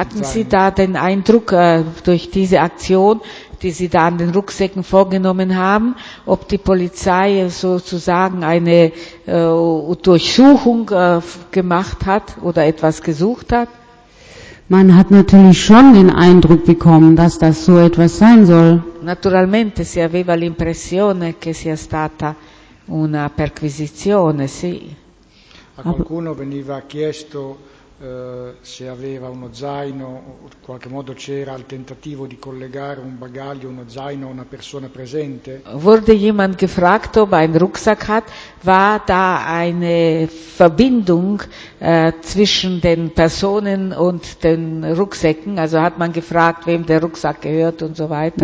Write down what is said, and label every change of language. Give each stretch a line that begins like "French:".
German: Hatten Sie da den Eindruck durch diese Aktion, die Sie da an den Rucksäcken vorgenommen haben, ob die Polizei sozusagen eine Durchsuchung gemacht hat oder etwas gesucht hat? Man hat natürlich schon den Eindruck bekommen, dass das so etwas sein soll.
Italian: Naturalmente si aveva l'impressione che sia stata una perquisizione, sì. A qualcuno veniva chiesto se aveva uno zaino, in qualche modo c'era il tentativo di collegare un bagaglio, uno zaino a una persona presente.
German: Wurde jemand gefragt, ob ein Rucksack hat, war da eine Verbindung zwischen den Personen und den Rucksäcken? Also hat man gefragt, wem der Rucksack gehört und so weiter?